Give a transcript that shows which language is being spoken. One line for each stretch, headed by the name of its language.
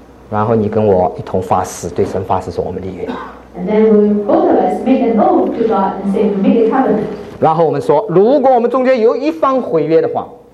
Chinese: 然后你跟我一同发誓，对神发誓说我们立约。
English: And then we both of us make an oath to God and say we make a covenant.
Chinese: 然后我们说，如果我们中间有一方毁约的话